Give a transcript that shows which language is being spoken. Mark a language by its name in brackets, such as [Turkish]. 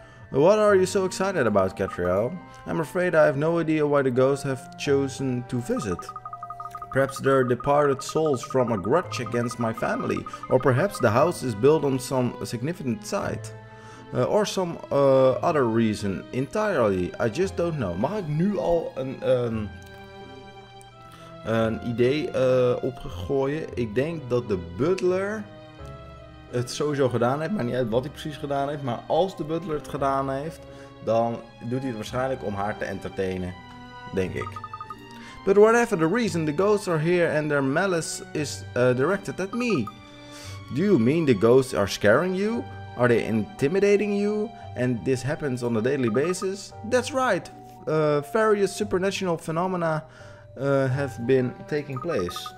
[English] What are you so excited about, Catriel? I'm afraid I have no idea why the ghosts have chosen to visit. Perhaps there are departed souls from a grudge against my family, or perhaps the house is built on some significant site. Or some other reason entirely, I just don't know. [Dutch] Mag ik nu al een idee opgooien? Ik denk dat de butler het sowieso gedaan heeft, maar niet uit wat hij precies gedaan heeft. Maar als de butler het gedaan heeft, dan doet hij het waarschijnlijk om haar te entertainen, denk ik. [English] But whatever the reason, the ghosts are here and their malice is directed at me. Do you mean the ghosts are scaring you? Are they intimidating you? And this happens on a daily basis? That's right. Various supernatural phenomena have been taking place.